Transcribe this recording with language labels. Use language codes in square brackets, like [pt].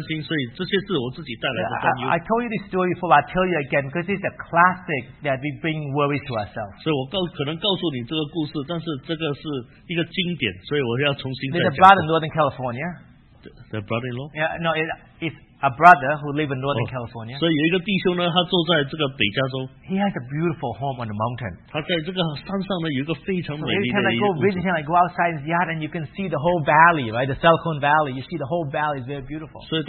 [zh] 所以如果我没有这个鱼缸，我没有这个乌龟，我没有这些鱼的话，我就不会担心。所以这些是我自己带来的担忧。 [en] I told you this story before, I tell you again, because it's a classic that we bring worry to ourselves. [zh] 所以我可能告诉你这个故事，但是这个是一个经典，所以我要重新再讲。 [en] There's a brother in Northern California. The brother-in-law? Yeah, no, it's a brother who lives in Northern California. [zh] 所以有一个弟兄呢，他住在这个北加州。 [en] He has a beautiful home on the mountain. [zh] 他在这个山上呢，有一个非常美丽的一个故事。 [en] So every time I go visiting, I go outside his yard, and you can see the whole valley, right? The Silicon Valley. You see the whole valley is very beautiful.